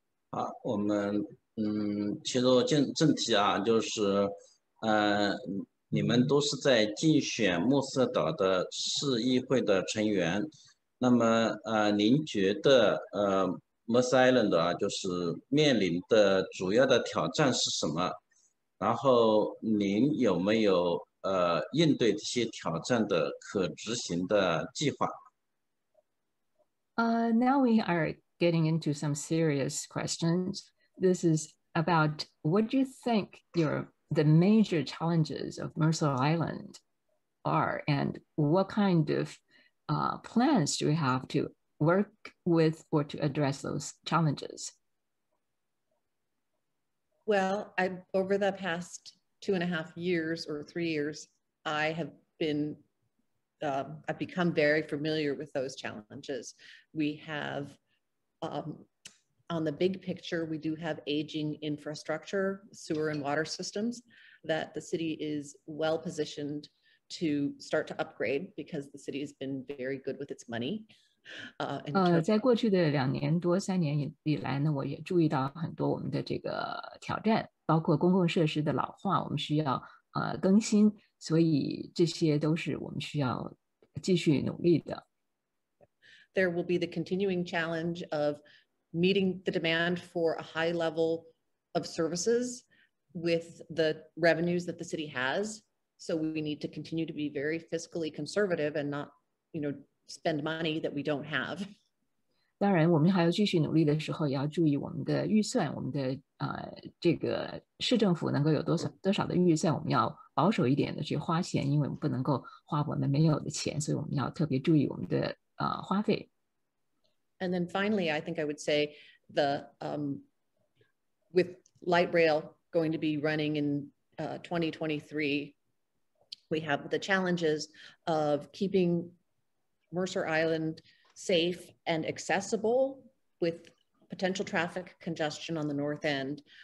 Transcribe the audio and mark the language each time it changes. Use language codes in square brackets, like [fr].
[zh] 好，我们切入正题啊，就是你们都是在竞选穆瑟岛的市议会的成员，那么您觉得Mercer Island 啊，就是面临的主要的挑战是什么？然后您有没有应对这些挑战的可执行的计划。 [en] Now we are getting into some serious questions. This is about what you think the major challenges of Mercer Island are, and what kind of plans do we have to work with or to address those challenges? Well, over the past two and a half years or 3 years, I have been, I've become very familiar with those challenges. We have, on the big picture, we do have aging infrastructure, sewer and water systems that the city is well positioned to start to upgrade because the city has been very good with its money. [zh] 在过去的两年多三年以来呢，我也注意到很多我们的这个挑战，包括公共设施的老化，我们需要更新，所以这些都是我们需要继续努力的。 [en] there will be the continuing challenge of meeting the demand for a high level of services with the revenues that the city has. So we need to continue to be very fiscally conservative and not, you know, spend money that we don't have. [zh] 当然我们还要继续努力的时候也要注意我们的预算，我们的这个市政府能够有多少的预算，我们要保守一点的去花钱，因为我们不能够花我们没有的钱，所以我们要特别注意我们的花费。 [en] And then finally, I think I would say the, with light rail going to be running in 2023, we have the challenges of keeping Mercer Island safe and accessible with potential traffic congestion on the north end.